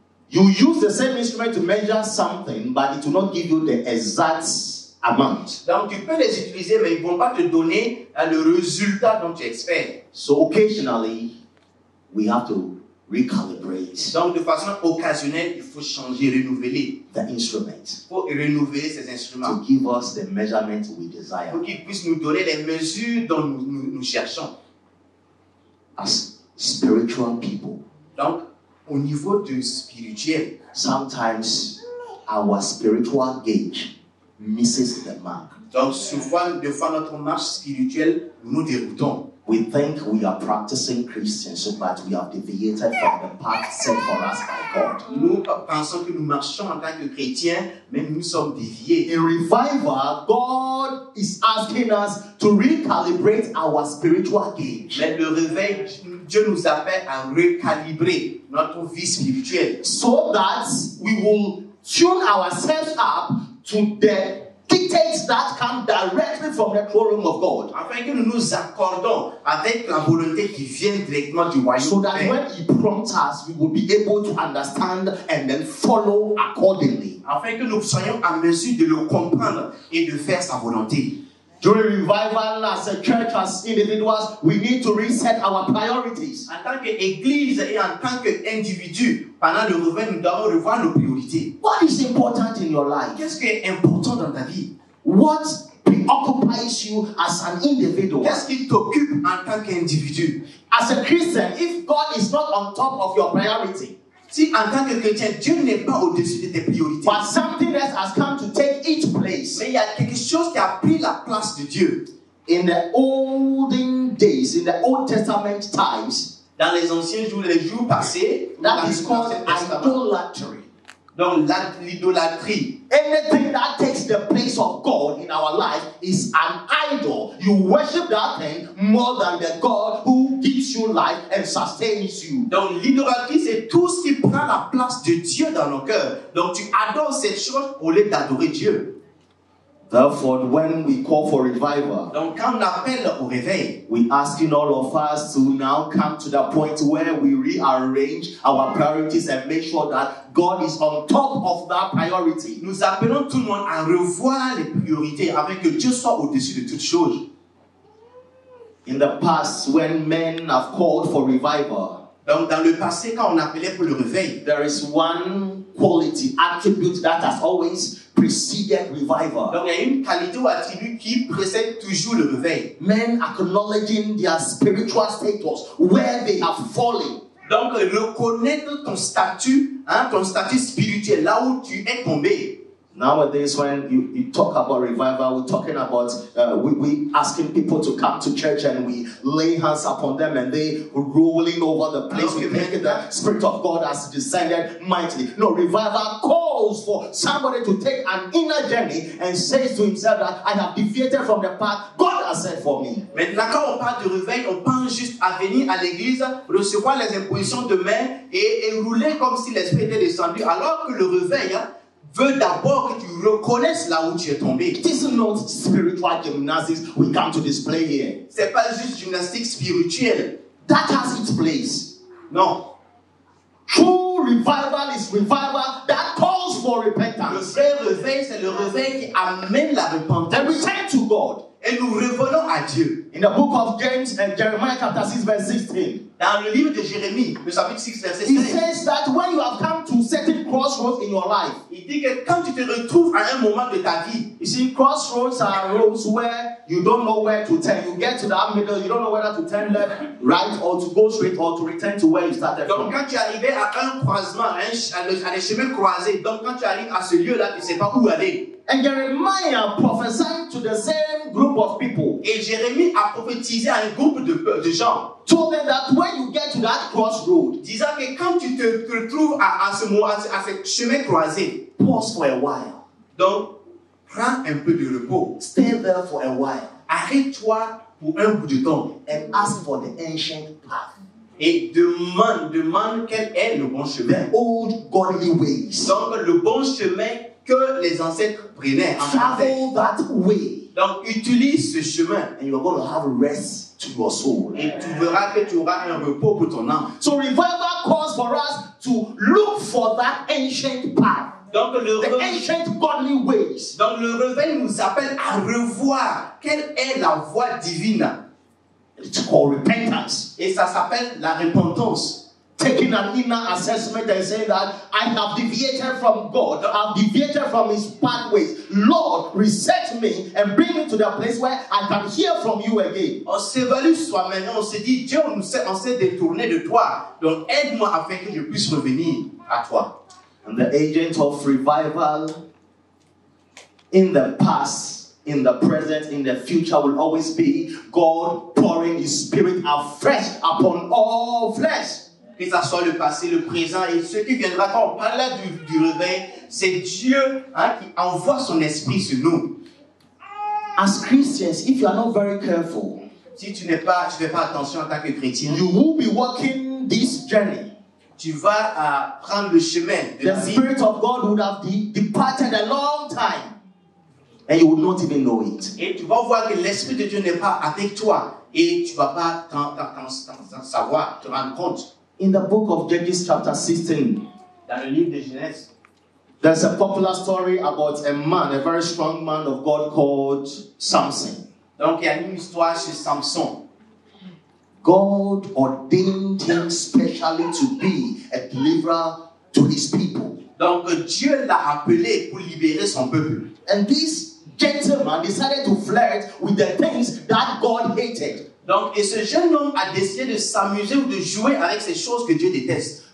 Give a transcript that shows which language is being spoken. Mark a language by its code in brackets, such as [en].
[en] You use the same instrument to measure something, but it will not give you the exact amount. [fr] Donc, tu peux les utiliser, mais ils vont pas te donner le résultat dont tu espères. [en] So occasionally, we have to recalibrate. [fr] Donc, de façon occasionnelle, il faut changer, renouveler [en] the instrument. [fr] Pour renouveler ces instruments. [en] To give us the measurement we desire. [fr] Pour qu'ils puissent nous donner les mesures dont nous cherchons. [en] As spiritual people. [fr] Donc, au niveau du spirituel, [en] sometimes our spiritual gauge misses the mark. [fr] Donc, souvent, de fois notre marche spirituelle, nous déroutons. [en] We think we are practicing Christian, so that we have deviated from the path set for us by God. [fr] Nous pensons que nous marchons en tant que chrétien, mais nous sommes déviés. [en] In revival, God is asking us to recalibrate our spiritual gauge. [fr] Mais le réveil, Dieu nous appelle à recalibrer notre vie spirituelle, [en] so that we will tune ourselves up to the dictates that come directly from the throne room of God. [fr] Afin que nous nous accordons avec la volonté qui vient directement du royaume. [en] So that when He prompts us, we will be able to understand and then follow accordingly. [fr] Afin que nous soyons en mesure de le comprendre et de faire sa volonté. [en] During revival, as a church, as individuals, we need to reset our priorities. [fr] En tant qu'église et en tant qu'individu, pendant le revival, nous devons revoir nos priorités. [en] What is important in your life? [fr] Qu'est-ce qui est important dans ta vie? [en] What preoccupies you as an individual? [fr] Qu'est-ce qui t'occupe en tant qu'individu? [en] As a Christian, if God is not on top of your priority, [fr] si en tant que chrétien, Dieu n'est pas au-dessus de tes priorités. [en] But something else has come to take its place. [fr] Mais il y a quelque chose qui a pris la place de Dieu. [en] In the olden days, in the Old Testament times, [fr] dans les anciens jours, les jours passés, [en] that is called idolatry. [fr] Donc l'idolâtrie. [en] Anything that takes the place of God in our life is an idol. You worship that thing more than the God who gives you life and sustains you. [fr] Donc l'idolâtrie, c'est tout ce qui prend la place de Dieu dans nos cœurs. Donc tu adores cette chose au lieu d'adorer Dieu. [en] Therefore, when we call for revival, [fr] donc quand on appelle au réveil, [en] we asking all of us to now come to the point where we rearrange our priorities and make sure that God is on top of that priority. [fr] Nous appelons tout le monde à revoir les priorités afin que Dieu soit au-dessus de toutes choses. [en] In the past, when men have called for revival, [fr] donc dans le passé quand on appelait pour le réveil, [en] there is one quality, attribute that has always preceded revival. [fr] Donc, il y a une qualité ou attribut qui précède toujours le réveil. [en] Men acknowledging their spiritual status, where they have fallen. [fr] Donc, reconnaître ton statut, hein, ton statut spirituel, là où tu es tombé. [en] Nowadays, when you talk about revival, we're talking about we asking people to come to church and we lay hands upon them and they rolling over the place. Okay. We think the Spirit of God has descended mightily. No, revival calls for somebody to take an inner journey and says to himself that I have deviated from the path God has set for me. [fr] Maintenant, quand on parle de réveil, on pense juste à venir à l'église, recevoir les impositions de main et rouler comme si l'esprit était descendu, alors que le réveil, hein, veux d'abord que tu reconnaisses là où tu es tombé. [en] It is not spiritual gymnastics we come to display here. [fr] C'est pas juste gymnastique spirituelle. [en] That has its place. No. True revival is revival that calls for repentance. [fr] Le vrai réveil, c'est le réveil qui amène la repentance. [en] And return to God. [fr] Et nous revenons à Dieu. [en] In the book of James and Jeremiah chapter 6 verse 16. [fr] Dans le livre de Jérémie, le chapitre 6 verset 16. [en] He says that when you have come to certain crossroads in your life. [fr] Il dit que quand tu te retrouves à un moment de ta vie. [en] You see, crossroads are roads where you don't know where to turn. You get to that middle, you don't know whether to turn left, right, or to go straight, or to return to where you started [fr] donc, Donc quand tu arrives à un croisement, à des chemins croisés, donc quand tu arrives à ce lieu-là, tu ne sais pas où aller. [en] And Jeremiah prophesied to the same group of people. [fr] Et Jérémie a prophétisé à un groupe de gens. [en] Told them that when you get to that crossroad, [fr] disant que quand tu te retrouves à ce chemin croisé, [en] pause for a while. [fr] Donc, prends un peu de repos. [en] Stay there for a while. [fr] Arrête-toi pour un bout de temps. [en] And ask for the ancient path. [fr] Et demande quel est le bon chemin. [en] The old godly ways. [fr] Donc, le bon chemin que les ancêtres prenaient. [en] Travel that way. [fr] Donc, utilise ce chemin. [en] And you're going to have rest. Your soul. [fr] Et tu verras que tu auras un repos pour ton âme. [en] So revival calls for us to look for that ancient path. [fr] Donc [en] ancient godly ways. [fr] Donc le réveil nous appelle à revoir quelle est la voie divine. [en] It's called repentance. [fr] Et ça s'appelle la repentance. [en] Taking an inner assessment and saying that I have deviated from God, I have deviated from His pathways. Lord, reset me and bring me to the place where I can hear from You again. [fr] On s'évalue soi-même, on se dit Dieu, on s'est détourné de toi. Donc aide-moi afin que je puisse revenir à toi. [en] And the agent of revival in the past, in the present, in the future will always be God pouring His Spirit afresh upon all flesh. [fr] Que ça soit le passé, le présent et ce qui viendra quand on parle là du réveil, c'est Dieu, hein, qui envoie son esprit sur nous. [en] As Christians, if you are not very careful, [fr] si tu n'es pas, tu fais pas attention en tant que chrétien, [en] you will be walking this journey. [fr] Tu vas prendre le chemin. [en] The Spirit of God would have departed a long time. And you will not even know it. [fr] Et tu vas voir que l'Esprit de Dieu n'est pas avec toi. Et tu vas pas t'en savoir, te rendre compte. [en] In the book of Genesis chapter 16, [fr] dans le livre de Genèse, [en] there's a popular story about a man, a very strong man of God called Samson. [fr] Donc il y a une histoire sur Samson. [en] God ordained him specially to be a deliverer to his people. [fr] Donc Dieu l'a appelé pour libérer son peuple. [en] And this gentleman decided to flirt with the things that God hated. [fr] Donc, et ce jeune homme a décidé de s'amuser ou de jouer avec ces choses que Dieu déteste.